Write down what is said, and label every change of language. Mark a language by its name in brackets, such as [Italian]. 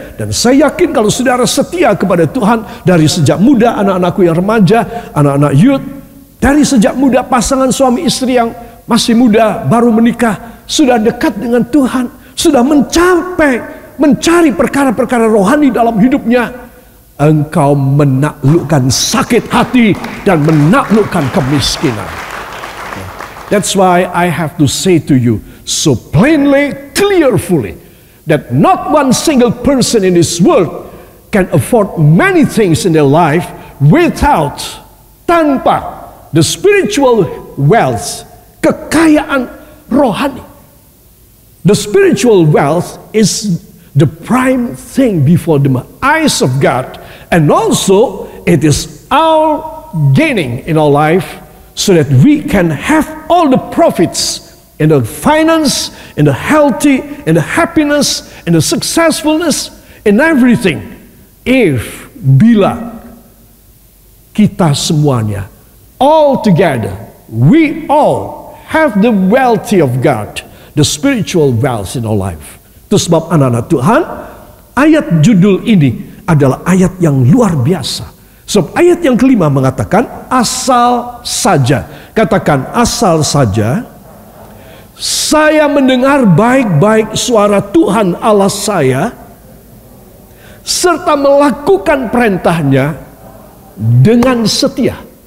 [Indonesian] Dan saya yakin kalau saudara setia kepada Tuhan dari sejak muda, anak-anakku yang remaja, anak-anak youth, dari sejak muda pasangan suami istri yang masih muda, baru menikah, sudah dekat dengan Tuhan, sudah mencapai, mencari perkara-perkara rohani dalam hidupnya, engkau menaklukkan sakit hati dan menaklukkan kemiskinan. [English] That's why I have to say to you so plainly, clearly, that not one single person in this world can afford many things in their life without, [Indonesian] tanpa, [English] the spiritual wealth, [Indonesian] kekayaan rohani. [English] The spiritual wealth is the prime thing before the eyes of God, and also it is our gaining in our life so that we can have all the profits in the finance, in the healthy, in the happiness, in the successfulness, in everything, if, [Indonesian] bila kita semuanya, [English] all together, we all have the wealth of God, the spiritual wealth in our life. [Indonesian] Itu sebab anak-anak Tuhan, ayat judul ini adalah ayat yang luar biasa. Sebab ayat yang kelima mengatakan, asal saja, katakan asal saja, saya mendengar baik-baik suara Tuhan Allah saya, serta melakukan perintah-Nya dengan setia.